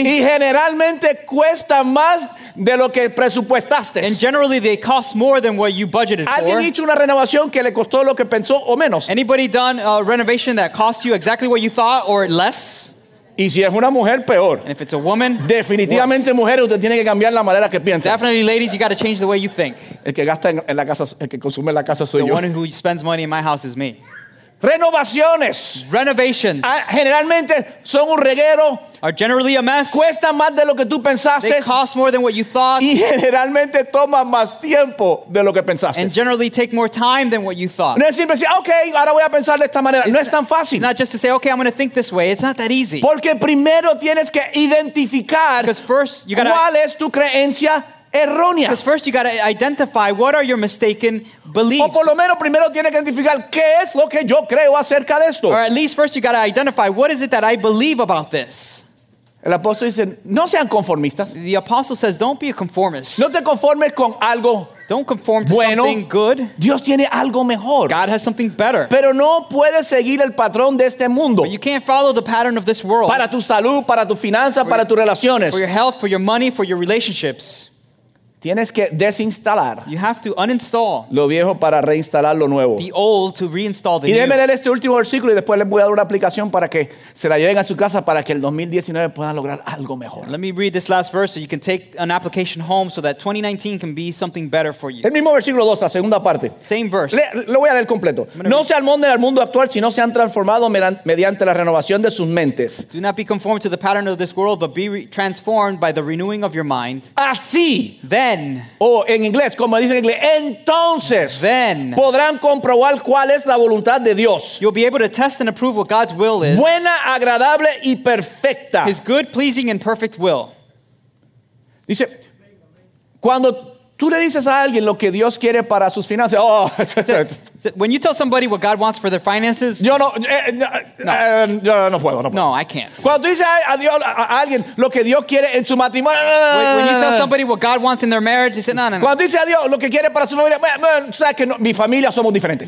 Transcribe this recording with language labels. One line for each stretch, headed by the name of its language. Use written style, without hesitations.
Spanish: Y generalmente cuesta más de lo que presupuestaste.
English: And generally they cost more than what you budgeted for.
Spanish: ¿Alguien hizo una renovación que le costó lo que pensó o menos?
English: Anybody done a renovation that cost you exactly what you thought or less?
Spanish: Y si es una mujer, peor.
English: And if it's a woman,
Spanish: definitivamente
English: worse.
Spanish: Mujeres, usted tiene que cambiar la manera que piensa.
English: Definitely, ladies, you got to change the way you think.
Spanish: El que gasta en la casa, el que consume en la casa soy
English: the
Spanish: yo.
English: The one who spends money in my house is me.
Spanish: Renovaciones.
English: Renovations.
Spanish: Generalmente son un reguero.
English: Are generally a mess.
Spanish: Cuesta más de lo que tú pensaste.
English: They cost more than what you thought.
Spanish: Y generalmente toma más tiempo de lo que pensaste.
English: And generally take more time than what you thought.
Spanish: No es simple decir, okay, ahora voy a pensar de esta manera. No es tan fácil.
English: Not just to say, okay, I'm going to think this way. It's not that easy.
Spanish: Porque primero tienes que identificar cuál es tu creencia errónea.
English: Because first you got to identify what are your mistaken beliefs.
Spanish: O por lo menos primero tiene que identificar qué es lo que yo creo acerca de esto.
English: Or at least first you got to identify what is it that I believe about this.
Spanish: El apóstol dice, no sean conformistas.
English: The apostle says, don't be a conformist.
Spanish: No te conformes con algo
English: Don't conform to something good.
Spanish: Dios tiene algo mejor.
English: God has something better.
Spanish: Pero no puedes seguir el patrón de este mundo.
English: But you can't follow the pattern of this world.
Spanish: Para tu salud, para tu finanza, para tus relaciones.
English: For your health, for your money, for your relationships.
Spanish: Tienes que desinstalar.
English: You have to uninstall.
Spanish: Lo viejo para reinstalar lo nuevo.
English: The old to reinstall the new.
Spanish: Y déjeme leer este último versículo y después les voy a dar una aplicación para que se la lleven a su casa para que el 2019 puedan lograr algo mejor.
English: Let me read this last verse so you can take an application home so that 2019 can be something better for you.
Spanish: El mismo versículo 2, la segunda parte.
English: Same verse.
Spanish: Lo voy a leer completo. No se amolden al mundo actual, sino se han transformado mediante la renovación de sus mentes.
English: Do not be conformed to the pattern of this world, but be transformed by the renewing of your mind.
Spanish: Así.
English: Then.
Spanish: O en inglés, como dicen en inglés, entonces
English: then,
Spanish: podrán comprobar cuál es la voluntad de Dios.
English: You'll be able to test and approve what God's will is.
Spanish: Buena, agradable y perfecta.
English: His good, pleasing and perfect will.
Spanish: Dice, cuando tú le dices a alguien lo que Dios quiere para sus finanzas, oh.
English: When you tell somebody what God wants for their finances,
Spanish: yo no, no. Yo no puedo, no puedo.
English: No, I can't.
Spanish: Cuando tú dices a Dios, a alguien lo que Dios quiere en su matrimonio,
English: when you tell somebody what God wants in their marriage, you say, no.
Spanish: Cuando dices a Dios lo que quiere para su familia, sabes que no, mi familia somos diferentes.